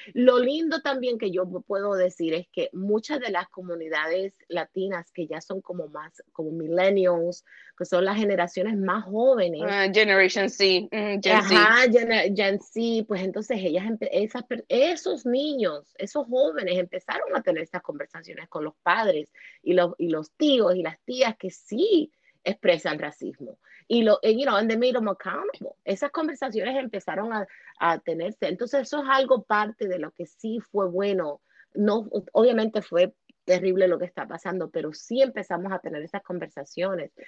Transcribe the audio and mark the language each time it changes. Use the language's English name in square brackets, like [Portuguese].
[Spanish] Lo lindo también que yo puedo decir es que muchas de las comunidades latinas que ya son como más, como millennials, que son las generaciones más jóvenes, [English] Generation C, Gen Z. [Spanish] ajá, Gen Z, pues entonces esos niños, esos jóvenes empezaron a tener estas conversaciones con los padres y los tíos y las tías que sí expresan racismo. [English] And they made them accountable. [Spanish] Esas conversaciones empezaron a tenerse. Entonces eso es algo parte de lo que sí fue bueno. No, obviamente fue terrible lo que está pasando, pero sí empezamos a tener esas conversaciones.